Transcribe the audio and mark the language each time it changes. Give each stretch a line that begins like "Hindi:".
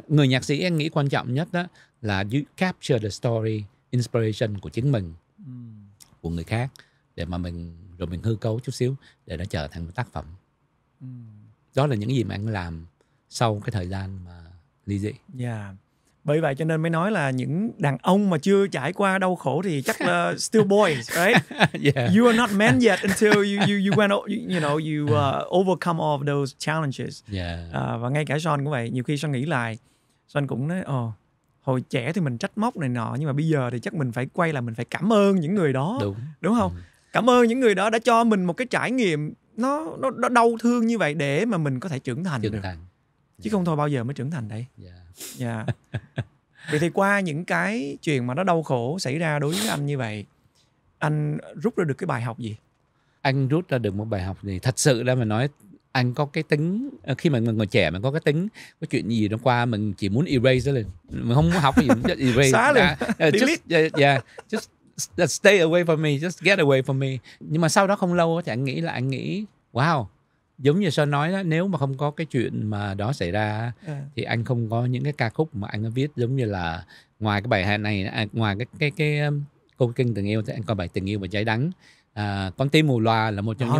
Vietnamese: Người nhạc sĩ anh nghĩ quan trọng nhất đó là
English: you capture the story,
Vietnamese: inspiration của chính mình, của người khác, để mà mình rồi mình hư cấu chút xíu để nó trở thành một tác phẩm. Đó là những gì mà anh làm sau cái thời gian mà ly dị. Bởi vậy cho nên mới nói là những đàn ông mà chưa trải qua đau khổ thì chắc là
English: still boys, right? Yeah. You are not men yet until you went, you know, you overcome all of those challenges. Yeah.
Vietnamese: Và ngay cả Son cũng vậy. Nhiều khi Son nghĩ lại, Son cũng nói, hồi trẻ thì mình trách móc này nọ, nhưng mà bây giờ thì chắc mình phải quay là mình phải cảm ơn những người đó. Đúng. Đúng không? Cảm ơn những người đó đã cho mình một cái trải nghiệm nó đau thương như vậy để mà mình có thể trưởng thành. Chứ không thôi bao giờ mới trưởng thành đây. Vậy thì qua những cái chuyện mà nó đau khổ xảy ra đối với anh như vậy, anh rút ra được cái bài học gì? Anh rút ra được một bài học gì? Thật sự là mình nói, anh có cái tính, khi mà mình còn trẻ mình có cái tính, có chuyện gì nó qua mình chỉ muốn erase lên. Mình không muốn học gì,
English: just erase.
Vietnamese: Xóa lên.
English: Delete. Just stay away from me, just get away from me.
Vietnamese: Nhưng mà sau đó không lâu thì anh nghĩ, wow. Giống như Sơn nói đó, nếu mà không có cái chuyện mà đó xảy ra thì anh không có những cái ca khúc mà anh viết, giống như là ngoài cái bài hát này, ngoài cái câu kinh tình yêu thì anh có bài tình yêu và trái đắng. Con tim mù loà là một trong những